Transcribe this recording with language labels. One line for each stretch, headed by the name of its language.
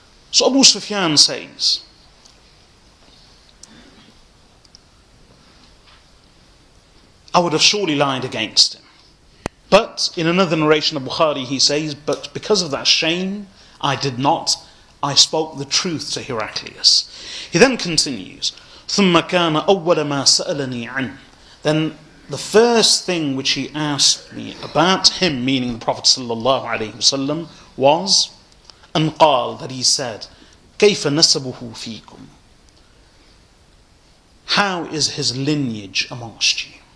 English: So Abu Sufyan says, I would have surely lied against him. But in another narration of Bukhari, he says, but because of that shame, I did not. I spoke the truth to Heraclius. He then continues,
Arabic: ثُمَّ كَانَ أَوَّلَ مَا سَأَلَنِي عَنْ.
English: Then the first thing which he asked me about him, meaning the Prophet sallallahu alaihi wasallam, was
Arabic: أَنْ قَالَ,
English: that he said,
Arabic: كَيْفَ نَسَبُهُ فِيكُمْ.
English: How is his lineage amongst you?